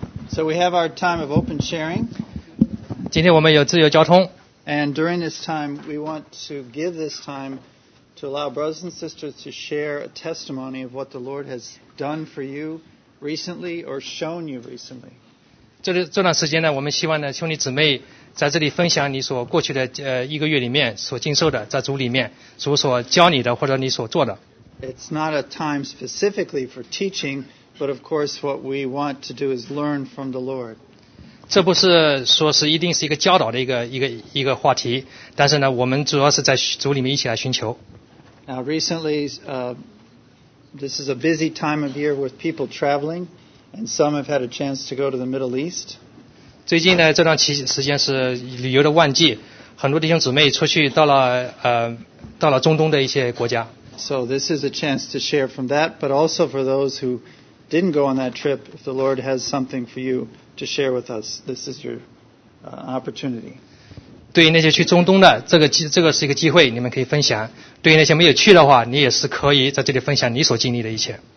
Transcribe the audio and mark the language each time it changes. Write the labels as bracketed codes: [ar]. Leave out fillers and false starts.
[en] So we have our time of open sharing. [zh] 今天我们有自由交通。 [en] And during this time, we want to give this time to allow brothers and sisters to share a testimony of what the Lord has done for you recently or shown you recently. [zh] 这段时间呢，我们希望呢，兄弟姊妹在这里分享你所过去的一个月里面所经受的，在主里面主所教你的或者你所做的。 [en] It's not a time specifically for teaching, but of course what we want to do is learn from the Lord. [zh] 这不是说是一定是一个教导的一个话题，但是呢，我们主要是在主里面一起来寻求。 [en] Now recently, this is a busy time of year with people traveling, and some have had a chance to go to the Middle East. [zh] 最近呢，这段时间是旅游的旺季，很多弟兄姊妹出去到了中东的一些国家。 [en] So this is a chance to share from that, but also for those who didn't go on that trip, if the Lord has something for you to share with us, this is your opportunity. [zh] 对于那些去中东的，这个是一个机会，你们可以分享。对于那些没有去的话，你也是可以在这里分享你所经历的一切。